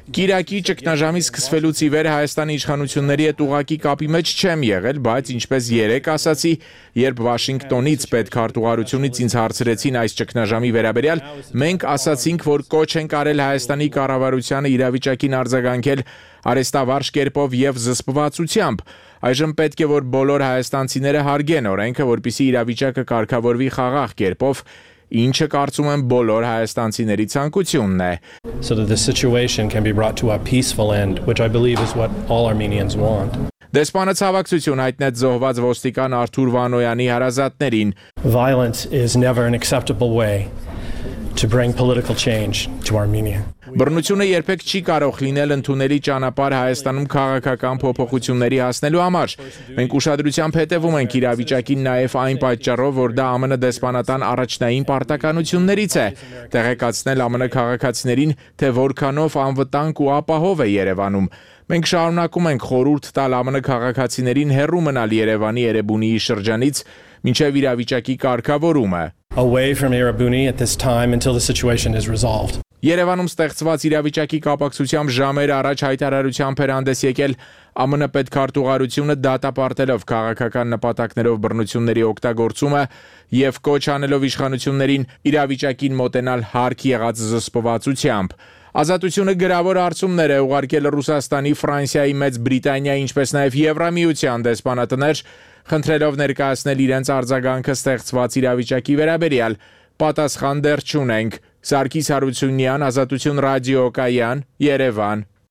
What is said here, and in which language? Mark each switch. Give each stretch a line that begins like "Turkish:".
Armenian: Կիրակի ճգնաժամի սկսվելուց ի վեր Հայաստանի իշխանությունների հետ ուղակի կապի մեջ չեմ եղել, բայց ինչպես երեկ ասացի, երբ Վաշինգտոնից պետքարտուղարությունից ինձ հարցրեցին այս ճգնաժամի վերաբերյալ, մենք ասացինք, որ կոչ ենք արել Հայաստանի կառավարությանը իրավիճակին արձագանքել արեստավարժ կերպով և զսպվածությամբ։ Այժմ պետք է, որ բոլոր հայաստանցիները հարգեն օրենքը, որպեսզի իրավիճակը կարգավորվի խաղաղ կերպով, ինչը կարծում եմ բոլոր հայաստանցիների ցանկությունն է.
English: So that the situation can be brought to a peaceful end, which I believe is what all Armenians want.
Armenian: Դեսպանը ցավակցություն հայտնեց զոհված ոստիկան Արթուր Վանոյանի հարազատներին.
English: Violence is never an acceptable way to bring political change to Armenia.
Armenian: Բռնությունը երբեք չի կարող լինել ընդունելի ճանապարհ Հայաստանում քաղաքական փոփոխությունների հասնելու համար։ Մենք ուշադրությամբ հետևում ենք իրավիճակին նաև այն պատճառով, որ դա ԱՄՆ դեսպանատան առաջնային պարտականություններից է՝ տեղեկացնել ԱՄՆ քաղաքացիներին, թե որքանով անվտանգ ու ապահով է Երևանում։ Մենք շարունակում ենք խորհուրդ տալ ԱՄՆ քաղաքացիներին հեռու մնալ Երևանի Էրեբունիի շրջանից, ոչ միայն իրավիճակի կարգավորումը։
English: Away from Erebuni at this time until the situation is resolved.
Armenian: Երևանում ստեղծված իրավիճակի կապակցությամբ ժամեր առաջ հայտարարությամբ էր հանդես եկել ԱՄՆ պետքարտուղարությունը, դատապարտելով քաղաքական նպատակներով բռնությունների օգտագործումը և կոչ անելով իշխանություններին իրավիճակին մոտենալ հարկ եղած զսպվածությամբ։ Ազատությունը գրավոր արցումներ է ուղարկել Ռուսաստանի, Ֆրանսիայի, Մեծ Բրիտանիայի, ինչպես նաև Եվրամիության դեսպանատներ, խնդրելով ներկայացնել իրենց արձագանքը ստեղծված իրավիճակի վերաբերյալ։ Պատասխան դեռ չունենք։ Սարգիս Հարությունյան, Ազատություն ռադիոկայան, Երևան։